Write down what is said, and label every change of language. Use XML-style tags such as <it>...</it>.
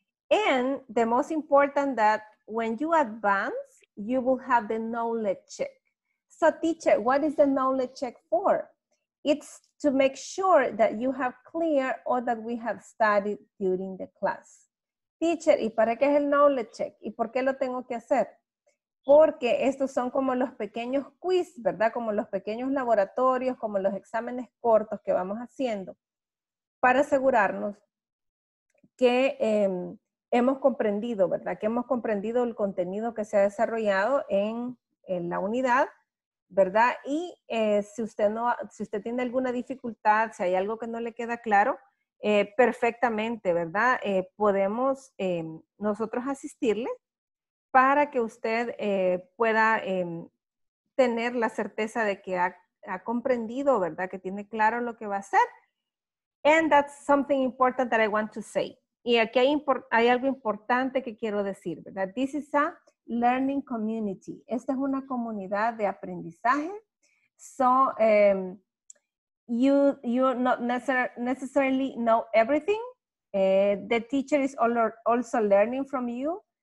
<en>And the most important that when you advance, you will have the knowledge check. So teacher, what is the knowledge check for? It's to make sure that you have clear all that we have studied during the class.</en> <es>Teacher, ¿y para qué es el knowledge check? ¿Y por qué lo tengo que hacer? Porque estos son como los pequeños quiz, ¿verdad? Como los pequeños laboratorios, como los exámenes cortos que vamos haciendo para asegurarnos que hemos comprendido, ¿verdad? Que hemos comprendido el contenido que se ha desarrollado en la unidad, ¿verdad? Y si usted tiene alguna dificultad, si hay algo que no le queda claro, perfectamente, ¿verdad? Podemos nosotros asistirle para que usted pueda tener la certeza de que ha comprendido, ¿verdad? Que tiene claro lo que va a hacer.</es> <en>And that's something important that I want to say.</en> <es>Y aquí hay algo importante que quiero decir, ¿verdad?</es> <en>This is a learning community.</en> <es>Esta es una comunidad de aprendizaje.</es> <en>So, you not necessarily know everything. The teacher is also learning from you.</en>